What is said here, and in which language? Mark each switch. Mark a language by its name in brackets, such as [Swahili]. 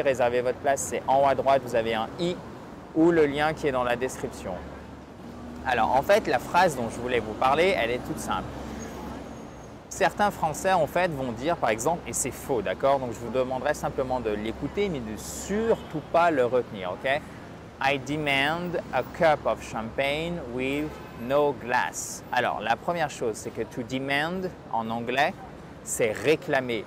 [French] Réservez votre place, c'est en haut à droite, vous avez un i ou le lien qui est dans la description. Alors en fait la phrase dont je voulais vous parler, elle est toute simple. Certains Français, en fait, vont dire, par exemple, et c'est faux, d'accord? Donc, je vous demanderai simplement de l'écouter, mais de surtout pas le retenir, ok? [English] I demand a cup of champagne with no glass. [French] Alors, la première chose, c'est que [English] to demand, [French] en anglais, c'est réclamer.